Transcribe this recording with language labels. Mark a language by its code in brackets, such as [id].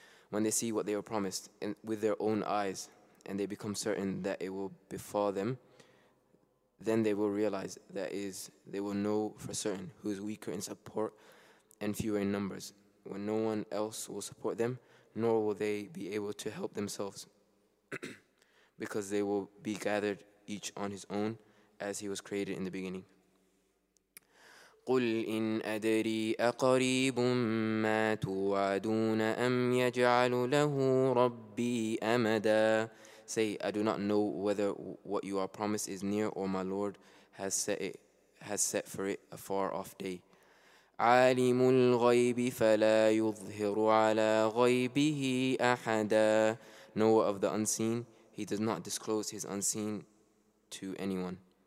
[en] When they see what they were promised with their own eyes, and they become certain that it will befall them, then they will realize, that is, they will know for certain who is weaker in support and fewer in numbers, when no one else will support them, nor will they be able to help themselves, because they will be gathered each on his own, as he was created in the beginning. [ar] قُلْ إِنْ أَدْرِي أَقَرِيبٌ مَا تُوَعَدُونَ أَمْ يَجْعَلُ لَهُ رَبِّي أَمَدًا. [en] Say, I do not know whether what you are promised is near, or my Lord has set for it a far off day. [ar] عَالِمُ الْغَيْبِ فَلَا يُظْهِرُ عَلَى غَيْبِهِ أَحَدًا. [en] Knower of the unseen, he does not disclose his unseen to anyone.